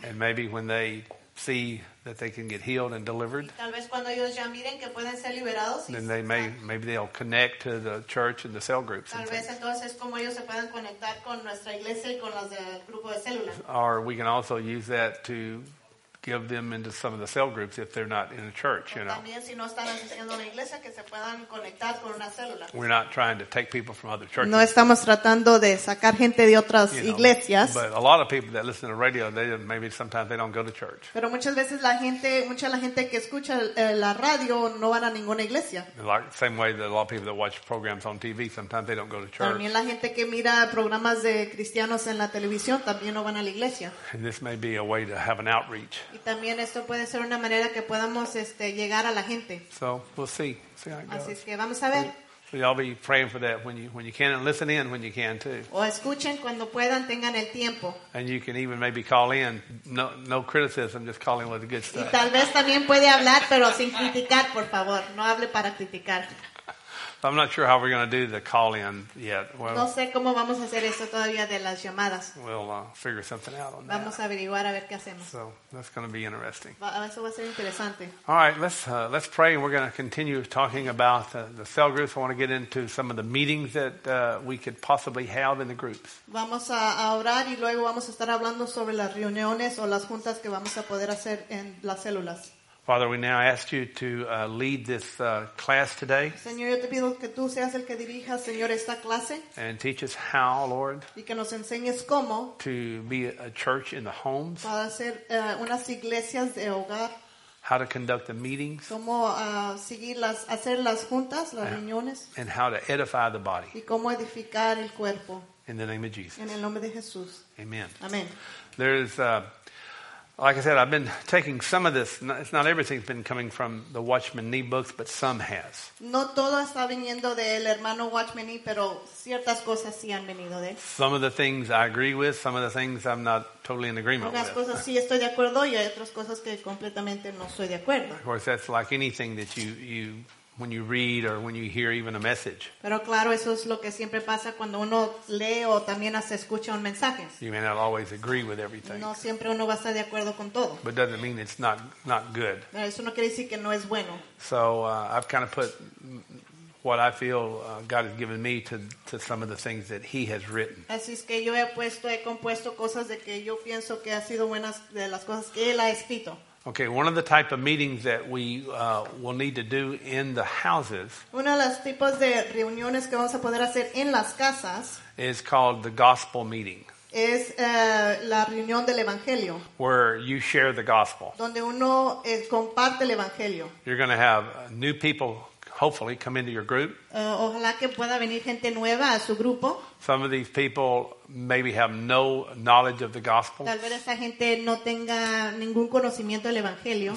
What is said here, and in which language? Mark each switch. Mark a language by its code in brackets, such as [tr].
[en] And maybe when they see that they can get healed and delivered, [es] tal vez cuando ellos ya miren que pueden ser liberados, [en] then they may, maybe they'll connect to the church and the cell groups. [es] Tal vez entonces como ellos se puedan conectar con nuestra iglesia y con los del grupo de células. [en] Or we can also use that to give them into some of the cell groups if they're not in a church, you know. [es] También si no están asistiendo a la iglesia, que se puedan conectar con una célula. [en] We're not trying to take people from other churches. [es] No estamos tratando de sacar gente de otras iglesias. [en] But a lot of people that listen to radio, they maybe sometimes they don't go to church. [es] Pero muchas veces la gente, mucha la gente que escucha la radio no van a ninguna iglesia. [en] Like same way that a lot of people that watch programs on TV, sometimes they don't go to church. [es] También la gente que mira programas de cristianos en la televisión también no van a la iglesia. [en] And this may be a way to have an outreach. [es] Y también esto puede ser una manera que podamos llegar a la gente. [en] So, we'll see how it goes. [es] Así es que vamos a ver. [en] We'll all be praying for that when you can, and listen in when you can too. [es] O escuchen cuando puedan, tengan el tiempo. [en] And you can even maybe call in, no criticism, just call in with the good stuff. [es] Y tal vez también puede hablar, pero sin criticar, por favor. No hable para criticar. [en] I'm not sure how we're going to do the call-in yet. [es] Well, no sé cómo vamos a hacer esto todavía de las llamadas. [en] We'll figure something out on [es] vamos [en] that. [es] Vamos a averiguar a ver qué hacemos. [en] So that's going to be interesting. [es] Eso va a ser interesante. [en] All right, let's pray. We're going to continue talking about the cell groups. I want to get into some of the meetings that we could possibly have in the groups. [es] Vamos a orar y luego vamos a estar hablando sobre las reuniones o las juntas que vamos a poder hacer en las células. [en] Father, we now ask you to lead this class today. [es] Señor, yo te pido que tú seas el que dirija, Señor, esta clase. [en] And teach us how, Lord. [es] Y que nos enseñes cómo. [en] To be a church in the homes. [es] Para hacer unas iglesias de hogar. [en] How to conduct the meetings. [es] Cómo seguir las, hacer las juntas, las reuniones. [en] And how to edify the body. [es] Y cómo edificar el cuerpo. [en] In the name of Jesus. [es] En el nombre de Jesús. [en] Amen. [es] Amen. [en] There is like I said, I've been taking some of this. It's not everything's been coming from the Watchman Nee books, but some has. [es] No todo está viniendo del hermano Watchman Nee, pero ciertas cosas sí han venido de él. [en] Some of the things I agree with, some of the things I'm not totally in agreement [es] algunas Algunas cosas sí estoy de acuerdo y hay otras cosas que completamente no estoy de acuerdo. [en] Of course, that's like anything that you when you read or when you hear even a message. [es] Pero claro, eso es lo que siempre pasa cuando uno lee o también hasta escucha un mensaje. [en] You may not always agree with everything. [es] No siempre uno va a estar de acuerdo con todo. [en] But doesn't mean it's not good. [es] Pero eso no quiere decir que no es bueno. [en] So I've kind of put what I feel God has given me to some of the things that He has written. [es] Así es que yo he compuesto cosas de que yo pienso que ha sido buenas de las cosas que Él ha escrito. [en] Okay, one of the type of meetings that we will need to do in the houses. [es] Uno de los tipos de reuniones que vamos a poder hacer en las casas [en] is called the gospel meeting. [es] Es la reunión del evangelio. [en] Where you share the gospel. [es] Donde uno comparte el evangelio. [en] You're going to have new people hopefully come into your group. [es] Ojalá que pueda venir gente nueva a su grupo. [en] Some of these people maybe have no knowledge of the gospel. [es] Tal vez esa gente no tenga ningún conocimiento del evangelio.